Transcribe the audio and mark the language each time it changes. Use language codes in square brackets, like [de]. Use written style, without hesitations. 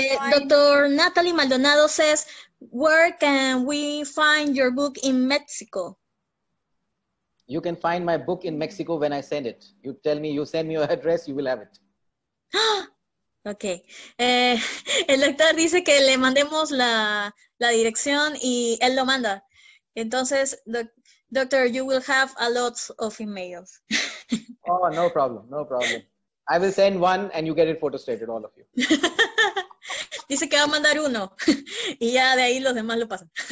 [en] Doctor Natalie Maldonado says, where can we find your book in Mexico? You can find my book in Mexico when I send it. You tell me, you send me your address, you will have it. Ok. [es] El doctor dice que le mandemos la dirección y él lo manda. Entonces, [en] doctor, you will have a lot of emails. Oh, no problem, no problem. I will send one and you get it photostated, all of you. [es] Dice que va a mandar uno y ya de ahí los demás lo pasan.